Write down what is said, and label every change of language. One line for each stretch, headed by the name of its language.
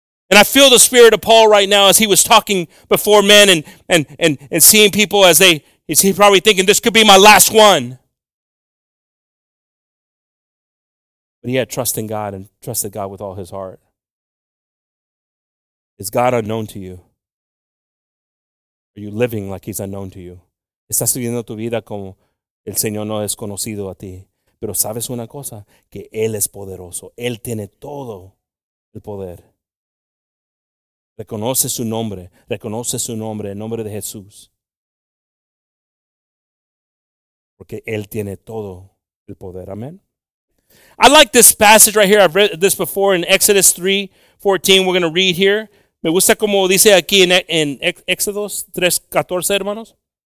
English: And I feel the spirit of Paul right now as he was talking before men and seeing people as they, he's probably thinking, this could be my last one. But he had trust in God and trusted God with all his heart. Is God unknown to you? Are you living like he's unknown to you?
Spanish: Estás viviendo tu vida como el Señor no es conocido a ti. Pero sabes una cosa, que él es poderoso. Él tiene todo el poder. Reconoce su nombre. Reconoce su nombre, el nombre de Jesús. Porque él tiene todo el poder. Amén.
English: I like this passage right here. I've read this before in Exodus 3, 14. We're going to read here.
Spanish: Me gusta como dice aquí en Exodus 3, 14, hermanos.